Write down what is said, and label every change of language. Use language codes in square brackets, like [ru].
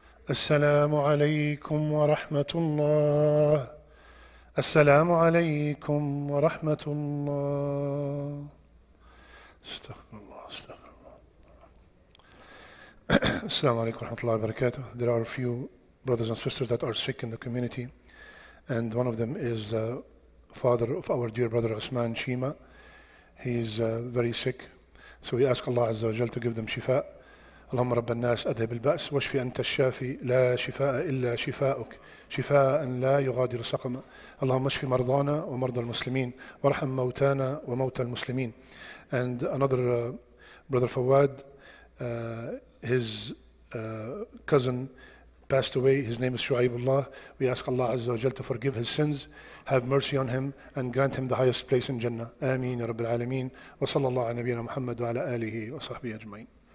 [ar] السلام عليكم ورحمة الله. السلام عليكم ورحمة الله. استغفر الله استغفر الله. السلام عليكم ورحمة الله وبركاته. [en] There are a few brothers and sisters that are sick in the community, and one of them is the father of our dear brother Osman Shima. He is very sick, so we ask Allah Azza wa Jal to give them shifa. [ar] اللهم رب الناس أذهب البأس واشف أنت الشافي لا شفاء إلا شفاءك شفاء لا يغادر سقما. اللهم اشف مرضانا ومرضى المسلمين وارحم موتانا وموتى المسلمين. [en] And another brother Fawad, his cousin passed away. His name is Shuaibullah. We ask Allah Azza wa Jal to forgive his sins, have mercy on him, and grant him the highest place in Jannah. [ar] آمين يا رب العالمين. وصلى الله على نبينا محمد وعلى آله وصحبه أجمعين.